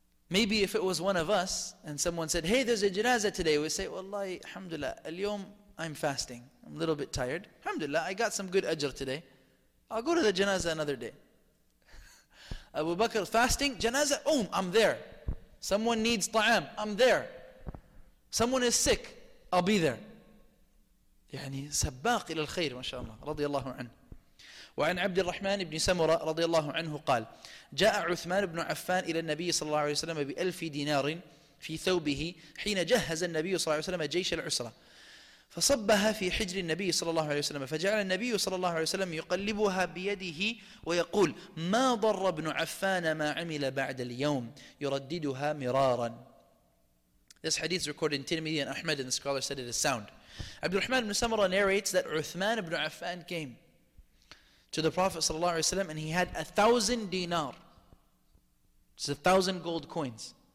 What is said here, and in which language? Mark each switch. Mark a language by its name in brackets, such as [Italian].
[English] Maybe if it was one of us and someone said, hey, there's a janazah today, we say, wallahi, alhamdulillah, al-yawm, I'm fasting. I'm a little bit tired. Alhamdulillah, I got some good ajr today. I'll go to the janazah another day. Abu Bakr fasting, janazah, oom, I'm there. Someone needs ta'am, I'm there. Someone is sick, I'll be there. [Arabic] يعني سباق إلى الخير ما شاء الله رضي الله عنه. وعن عبد الرحمن بن سمرة رضي الله عنه قال جاء عثمان بن عفان إلى النبي صلى الله عليه وسلم بألف دينار في ثوبه حين جهز النبي صلى الله عليه وسلم جيش العسرة فصبها في حجر النبي صلى الله عليه وسلم فجعل النبي صلى الله عليه وسلم يقلبها بيده ويقول ما ضر ابن عفان ما عمل بعد اليوم يرددها مرارا. [English] This hadith is recorded in Tirmidhi and Ahmed, and the scholar said it is sound. Abd al-Rahman ibn Samura narrates that Uthman ibn Affan came to the Prophet ﷺ and he had 1,000 dinar. It's 1,000 gold coins.